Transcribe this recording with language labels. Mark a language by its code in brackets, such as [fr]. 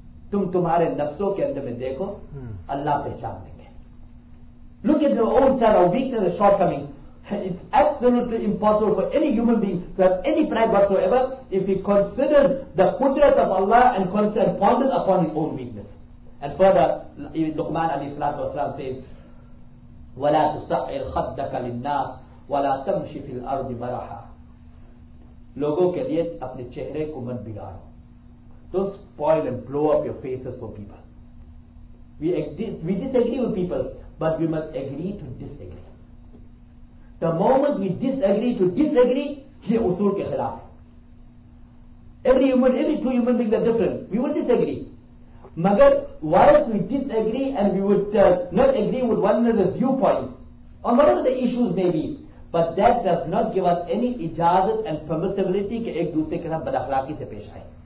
[ur] تم تمہارے نفسوں کے اندر میں دیکھو, اللہ پہچان لیں گے. [en] Look at your own self, our weakness, our shortcoming. It's absolutely impossible for any human being to have any pride whatsoever if he considers the qudrat of Allah and ponders upon his own weakness. And further, Luqman alayhi salatu wasalam says, [ar] وَلَا تُسَعِّرْ خَدَّكَ لِلنَّاسِ وَلَا تَمْشِ فِي الْأَرْضِ بَرَحَا. [ur] لوگوں کے لیے اپنے چہرے کو مت بگاڑو. [en] Don't spoil and blow up your faces for people. We disagree with people, but we must agree to disagree. The moment we disagree, [ur] ye usool ke khilaf. [en] Every two human beings are different. We will disagree. Magar, whilst we disagree and we would not agree with one another's viewpoints, on whatever the issues may be, but that does not give us any ijazat and permissibility [ur] ke ek dusre ke sath bad akhlaqi se pesh aaye.